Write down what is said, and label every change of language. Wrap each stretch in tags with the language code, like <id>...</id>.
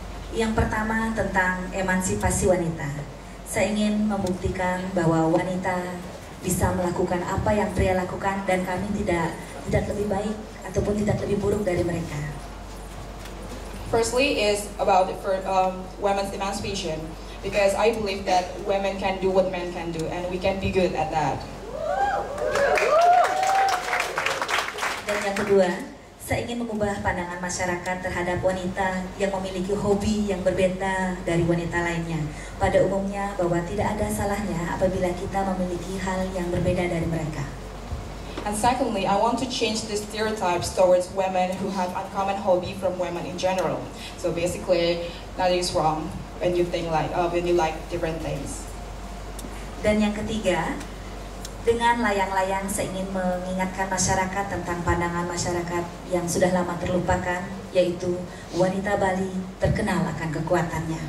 <id>Yang pertama tentang emansipasi wanita. Saya ingin membuktikan bahwa wanita bisa melakukan apa yang pria lakukan dan kami tidak lebih baik ataupun tidak lebih buruk dari mereka.</id> <en>Firstly, is about women's emancipation, because I believe that women can do what men can do, and we can be good at that.</en> <id>Dan yang kedua, saya ingin mengubah pandangan masyarakat terhadap wanita yang memiliki hobi yang berbeda dari wanita lainnya. Pada umumnya, bahwa tidak ada salahnya apabila kita memiliki hal yang berbeda dari mereka.</id> <en>And secondly, I want to change the stereotypes towards women who have uncommon hobby from women in general. So basically, nothing is wrong when you think like when you like different things.</en> <id>Dan yang ketiga, dengan layang-layang saya ingin mengingatkan masyarakat tentang pandangan masyarakat yang sudah lama terlupakan, yaitu wanita Bali terkenal akan kekuatannya.</id>